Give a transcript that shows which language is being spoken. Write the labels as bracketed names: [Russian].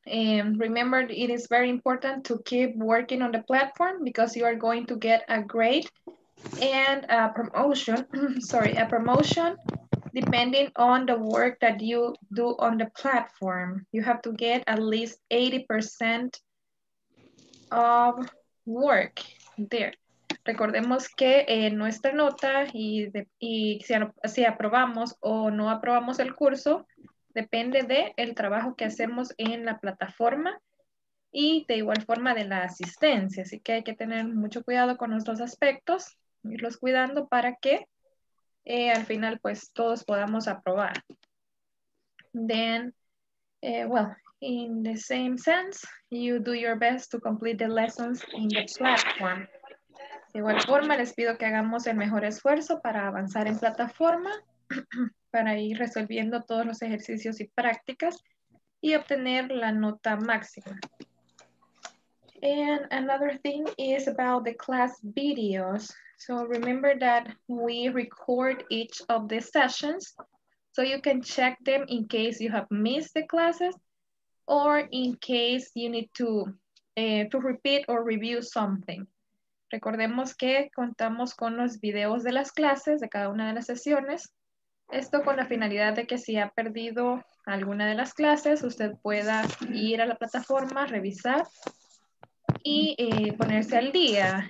[English] And remember, it is very important to keep working on the platform because you are going to get a grade and a promotion, sorry, a promotion depending on the work that you do on the platform. You have to get at least 80% of work there. [Spanish] Recordemos que nuestra nota y si aprobamos o no aprobamos el curso depende del trabajo que hacemos en la plataforma y de igual forma de la asistencia. Así que hay que tener mucho cuidado con los dos aspectos, irlos cuidando para que al final pues todos podamos aprobar. [English] Then, well, in the same sense, you do your best to complete the lessons in the platform. [Spanish] De igual forma, les pido que hagamos el mejor esfuerzo para avanzar en plataforma, para ir resolviendo todos los ejercicios y prácticas y obtener la nota máxima. [English] And another thing is about the class videos. So remember that we record each of the sessions so you can check them in case you have missed the classes or in case you need to repeat or review something. [Spanish] Recordemos que contamos con los videos de las clases de cada una de las sesiones. Esto con la finalidad de que si ha perdido alguna de las clases, usted pueda ir a la plataforma, revisar y ponerse al día.